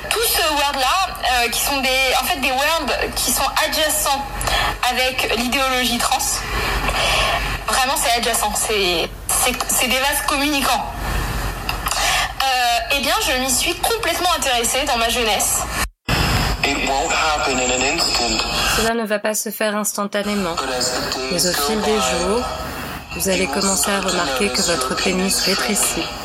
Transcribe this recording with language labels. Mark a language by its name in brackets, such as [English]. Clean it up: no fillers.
[French] Tous ces words-là, qui sont des words qui sont adjacents avec l'idéologie trans, vraiment c'est adjacent, c'est des vases communicants. Eh bien, je m'y suis complètement intéressée dans ma jeunesse. [English] It won't happen in an instant. [French] Cela ne va pas se faire instantanément. Mais au fil des jours, vous allez commencer à remarquer que votre pénis rétrécit.